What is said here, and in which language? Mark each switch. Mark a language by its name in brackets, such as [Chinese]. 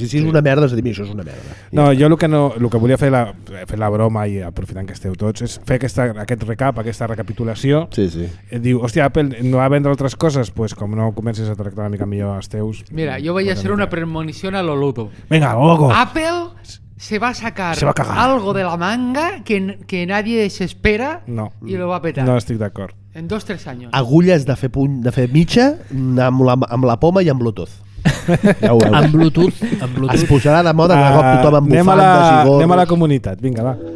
[Catalan] I si és una merda, és a dir, això és una merda. No, jo el que volia fer, la broma i aprofitant que esteu tots, és fer aquesta recapitulació. Sí, sí. Diu, hòstia, Apple no va vendre altres coses? Doncs pues, com no comences a tractar una mica millor els teus... Mira, jo vaig fer una premonició a lo Ludo. [Spanish] Venga, logo! Apple se va sacar algo de la manga que nadie se espera no. [Catalan] I lo va petar. No estic d'acord. En 2-3 anys. Agulles de fer puny, de fer mitja amb la poma i amb Bluetooth. Ja amb Bluetooth. Es posarà de moda cada cop tothom amb bufantes i gorros. Anem a la comunitat, vinga, va.